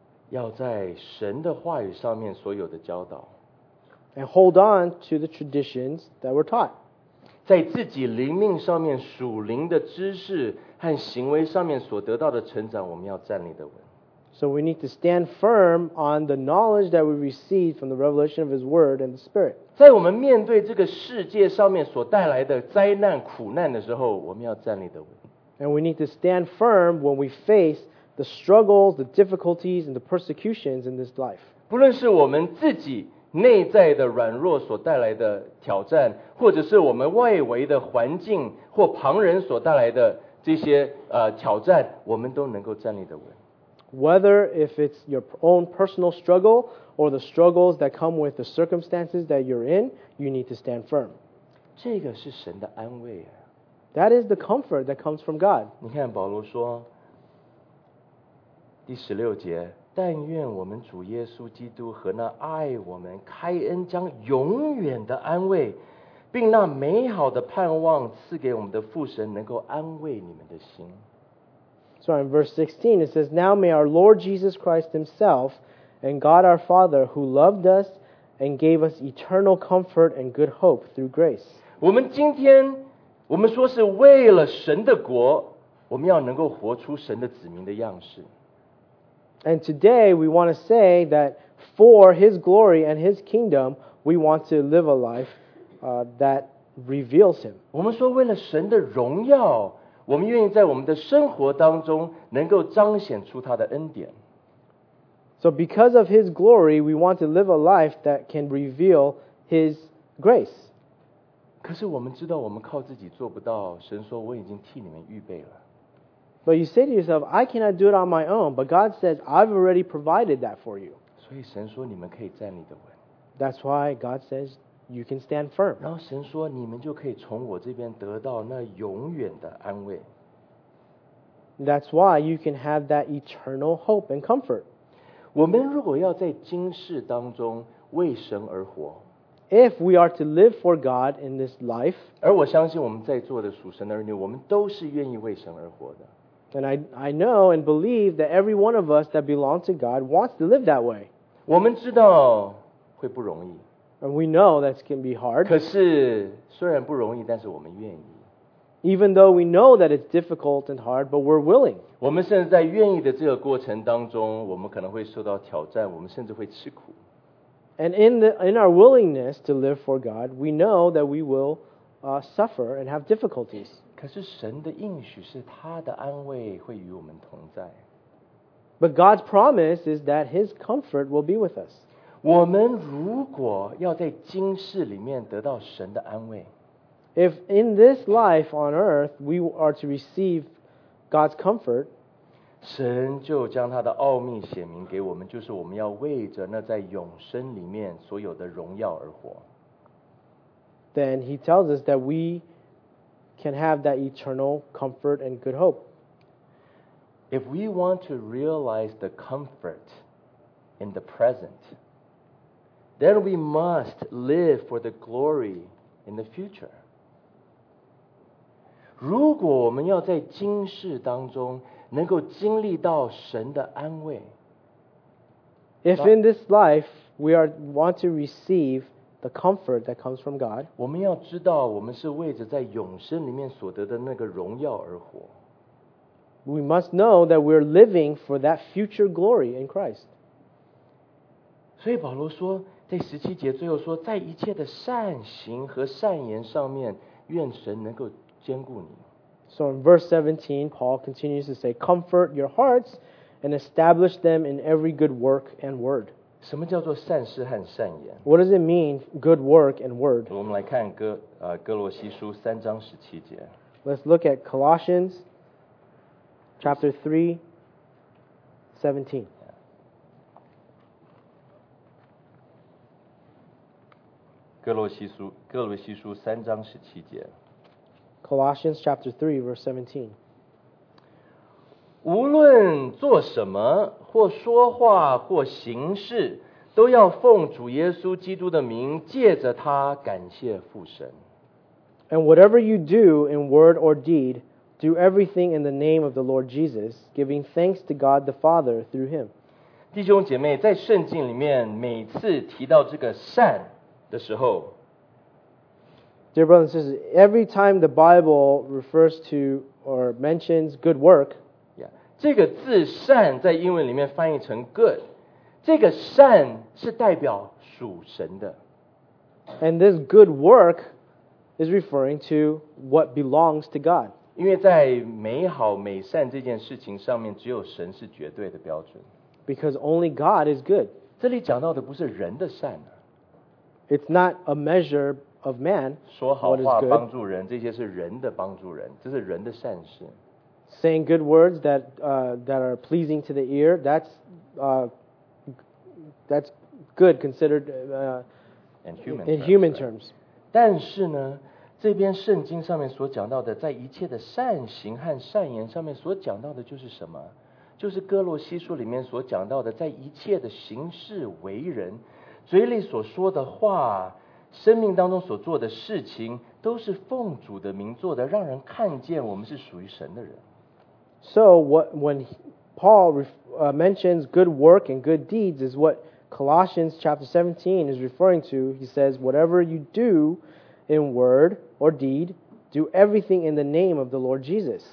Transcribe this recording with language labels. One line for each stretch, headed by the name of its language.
Chinese: 要在神的话语上面所有的教导。
English: And hold on to the traditions that were taught.
Chinese: 在自己灵命上面属灵的知识和行为上面所得到的成长，我们要站立得稳。
English: So we need to stand firm on the knowledge that we receive from the revelation of His Word and the Spirit.
Chinese: 在我们面对这个世界上面所带来的灾难苦难的时候，我们要站立得稳。
English: And we need to stand firm when we face the struggles, the difficulties, and the persecutions in this life.
Chinese: 不论是我们自己内在的软弱所带来的挑战，或者是我们外围的环境或旁人所带来的这些挑战，我们都能够站立得稳。
English: Whether if it's your own personal struggle or the struggles that come with the circumstances that you're in, you need to stand firm.
Chinese: 这个是神的安慰啊。
English: That is the comfort that comes from God.
Chinese: 你看保罗说，第十六节，但愿我们主耶稣基督和那爱我们开恩将永远的安慰，并那美好的盼望赐给我们的父神能够安慰你们的心。
English: So in verse 16 it says, Now may our Lord Jesus Christ Himself and God our Father who loved us and gave us eternal comfort and good hope through grace.
Chinese: 我们今天我们说是为了神的国，我们要能够活出神的子民的样式。
English: And today we want to say that for His glory and His kingdom, we want to live a life that reveals Him.
Chinese: 我们说为了神的荣耀，我们愿意在我们的生活当中能够彰显出他的恩典。
English: So because of His glory, we want to live a life that can reveal His grace.
Chinese: 可是我们知道我们靠自己做不到，神说我已经替你们预备了。
English: But you say to yourself, I cannot do it on my own, but God says, I've already provided that for you.
Chinese: 所以神说你们可以站立得稳。
English: That's why God says,You can stand firm.
Chinese: 然后神说，你们就可以从我这边得到那永远的安慰。
English: That's why you can have that eternal hope and comfort.
Chinese: 我们如果要在今世当中为神而活，
English: If we are to live for God in this life,
Chinese: 而我相信我们在座的属神的儿女，我们都是愿意为神而活的。
English: And I know and believe that every one of us that belong to God wants to live that way.
Chinese: 我们知道会不容易。
English: And we know that can be hard.
Chinese: 可是虽然不容易，但是我们愿意。
English: Even though we know that it's difficult and hard, but we're willing.
Chinese: 我们甚至在愿意的这个过程当中，我们可能会受到挑战，我们甚至会吃苦。
English: And in our willingness to live for God, we know that we will suffer and have difficulties.
Chinese: 可是神的应许是他的安慰会与我们同在。
English: But God's promise is that His comfort will be with us.
Chinese: 我们如果要在今世里面得到神的安慰，
English: If in this life on earth we are to receive God's comfort,
Chinese: 神就将他的奥秘显明给我们，就是我们要为着那在永生里面所有的荣耀而活。
English: Then he tells us that we can have that eternal comfort and good hope. If we want to realize the comfort in the present,Then we must live for the glory in the future.
Chinese: 如果我们要在今世当中能够经历到神的安慰，
English: If in this life we are want to receive the comfort that comes from God,
Chinese: 我们要知道我们是为着在永生里面所得的那个荣耀而活。
English: We must know that we're living for that future glory in Christ.
Chinese: 所以保罗说在十七节最后说，在一切的善行和善言上面，愿神能够坚固你。
English: So in verse 17, Paul continues to say, "Comfort your hearts and establish them in every good work and word."
Chinese: 什么叫做善事和善言
English: ？What does it mean, good work and word?
Chinese: 我们来看哥罗西书三章十七节。
English: Let's look at Colossians chapter 3:17.
Chinese: 哥罗西书三章十七节。
English: Colossians chapter 3, verse 17.
Chinese: 无论做什么，或说话，或行事，都要奉主耶稣基督的名，借着他感谢父神。
English: And whatever you do in word or deed, do everything in the name of the Lord Jesus, giving thanks to God the Father through him.
Chinese: 弟兄姐妹，在圣经里面每次提到这个善的时候，
English: Dear brothers and sisters, every time the Bible refers to or mentions good work,
Chinese: yeah, 这个字善在英文里面翻译成 good, 这个善是代表属神的。
English: And this good work is referring to what belongs to God.
Chinese: 因为在美好美善这件事情上面，只有神是绝对的标准。
English: Because only God is good.
Chinese: 这里讲到的不是人的善啊。
English: It's not a measure of man.
Chinese: 说好话帮助人，这些是人的帮助人，这是人的善事。
English: Saying good words that are pleasing to the ear, that's good considered in human terms.
Chinese: 但是呢，这边圣经上面所讲到的，在一切的善行和善言上面所讲到的就是什么？就是哥罗西书里面所讲到的，在一切的行事为人，嘴里所说的话，生命当中所做的事情，都是奉主的名做的，让人看见我们是属于神的人。
English: So what when Paul mentions good work and good deeds is what Colossians chapter 17 is referring to. He says, whatever you do in word or deed, do everything in the name of the Lord Jesus.